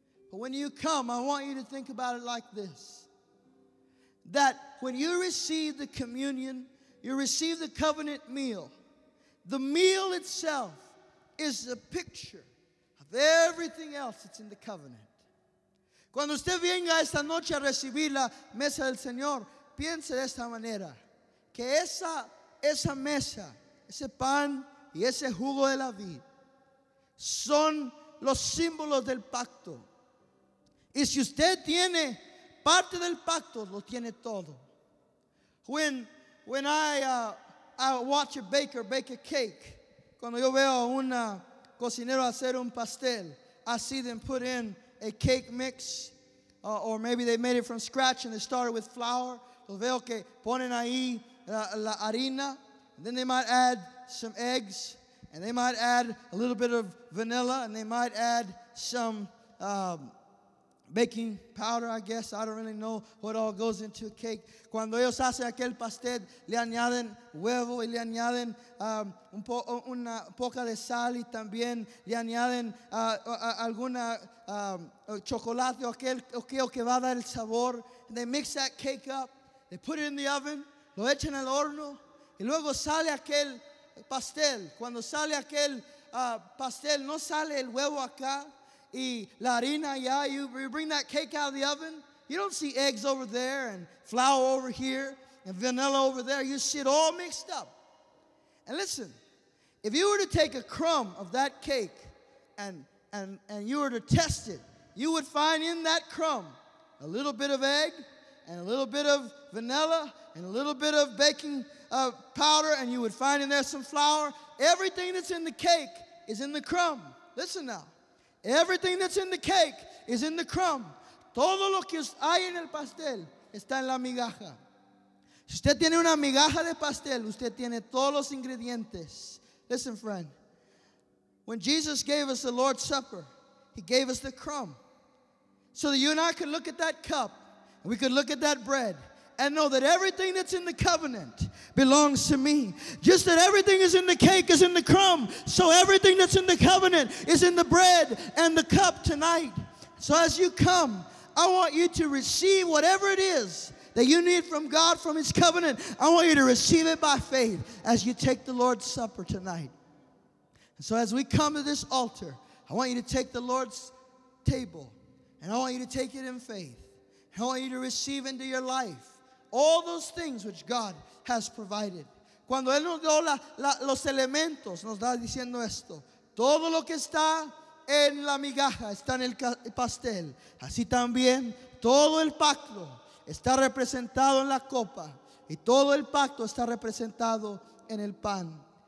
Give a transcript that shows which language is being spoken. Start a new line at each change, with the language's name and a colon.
English: But when you come, I want you to think about it like this. That when you receive the communion, you receive the covenant meal. The meal itself is a picture of everything else that's in the covenant.
Spanish: Cuando usted venga esta noche a recibir la mesa del Señor, piense de esta manera. Que esa mesa, ese pan y ese jugo de la vid son los símbolos del pacto. Y si usted tiene parte del pacto, lo tiene todo.
English: When I watch a baker bake a cake,
Spanish: cuando yo veo a un cocinero hacer un pastel,
English: I see them put in a cake mix, or maybe they made it from scratch and they started with flour.
Spanish: Los veo que ponen ahí la harina,
English: and then they might add some eggs, and they might add a little bit of vanilla, and they might add some baking powder, I guess. I don't really know what all goes into a cake.
Spanish: Cuando ellos hacen aquel pastel, le añaden huevo y le añaden una poca de sal y también le añaden alguna chocolate o aquel que va a dar el sabor.
English: And they mix that cake up. They put it in the oven.
Spanish: Lo echan al horno. Y luego sale aquel pastel. Cuando sale aquel pastel, no sale el huevo acá. Y la harina,
English: yeah, you bring that cake out of the oven. You don't see eggs over there and flour over here and vanilla over there. You see it all mixed up. And listen, if you were to take a crumb of that cake and you were to test it, you would find in that crumb a little bit of egg and a little bit of vanilla and a little bit of baking powder, and you would find in there some flour. Everything that's in the cake is in the crumb. Listen now. Everything that's in the cake is in the crumb.
Spanish: Todo lo que hay en el pastel está en la migaja. Si usted tiene una migaja de pastel, usted tiene todos los ingredientes.
English: Listen, friend. When Jesus gave us the Lord's Supper, he gave us the crumb. So that you and I could look at that cup, and we could look at that bread, and know that everything that's in the covenant belongs to me. Just that everything is in the cake is in the crumb. So everything that's in the covenant is in the bread and the cup tonight. So as you come, I want you to receive whatever it is that you need from God, from his covenant. I want you to receive it by faith as you take the Lord's Supper tonight. So as we come to this altar, I want you to take the Lord's table. And I want you to take it in faith. I want you to receive into your life all those things which God has provided.
Spanish: Cuando Él nos dio los elementos, nos da diciendo esto. Todo lo que está en la migaja está en el pastel. Así también, todo el pacto está representado en la copa. Y todo el pacto está representado en el pan.